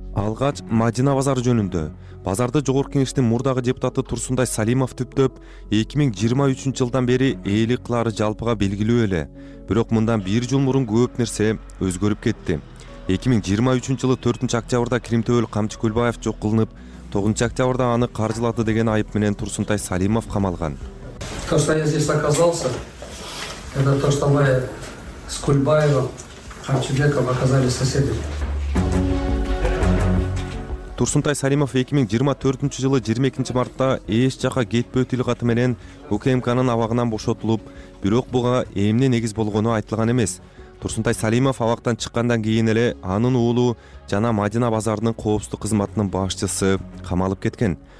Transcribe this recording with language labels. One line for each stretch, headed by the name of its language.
Kyrgyz: Алгач Мадина базары жөнүндө базарды Жогорку Кеңештин мурдагы депутаты Турсунтай Салимов түптөп 2023 жылдан бери ээлик кылары жалпыга белгилүү эле. Бирок мындан бир жыл мурун көп нерсе өзгөрүп кетти. 2023 жылы 4 октябрда Кримтөбөл Камчы Көлбаев жок кылынып, 9 октябрда аны каржылады деген айып менен Турсунтай Салимов камалган.
Russian: То, что я здесь оказался, это то, что мы с Кульбаевым, Камчыбеком оказались соседями.
Kyrgyz: Турсунтай Салимов 2024 жылы 22 мартта эч жака кетпөө тил каты менен УКМКнын абагынан бошотулуп, бирок буга эмне негиз болгону айтылган эмес. Турсунтай Салимов абактан чыккандан кийин эле анын уулу жана Мадина базарынын коопсуздук кызматынын башчысы камалып кеткен.